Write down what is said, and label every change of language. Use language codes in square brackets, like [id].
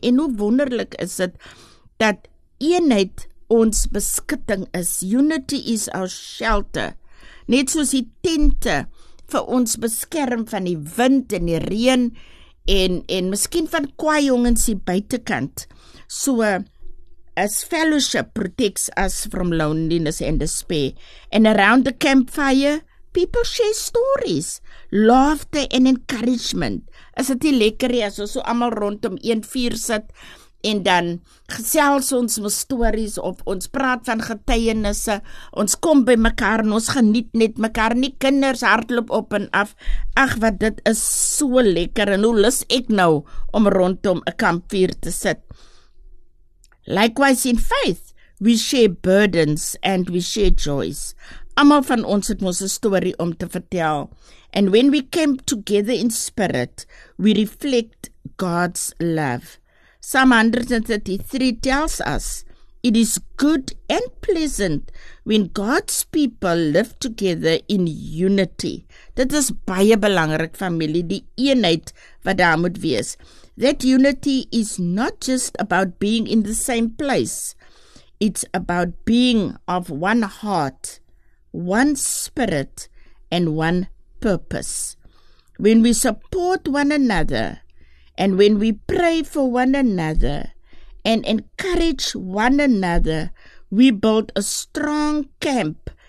[af] En hoe wonderlik is dit dat eenheid ons beskutting is. [en] Unity is our shelter. [af] Net soos die tente vir ons beskerm van die wind en die reën en miskien van kwaai jongens die buitekant. [en] So, as fellowship protects us from loneliness and despair. And around the campfire, people share stories, laughter and encouragement. [af] Is dit nie lekker nie, as ons so allemaal rondom een vuur sit, en dan gesels ons met stories, of ons praat van getuienisse, ons kom by mekaar, en ons geniet net mekaar, nie kinders hardloop op en af. Ach, wat dit is so lekker, en hoe lus ek nou, om rondom 'n kampvuur te sit. [en] Likewise in faith, we share burdens and we share joys. [af] Almal van ons het mos 'n story om te vertel. [en] And when we camp together in spirit, we reflect God's love. Psalm 133 tells us, it is good and pleasant when God's people live together in unity. [af] Dit is baie belangrik, familie, die eenheid wat daar moet wees. [en] That unity is not just about being in the same place. It's about being of one heart, one spirit, and one purpose. When we support one another, and when we pray for one another, and encourage one another, we build a strong camp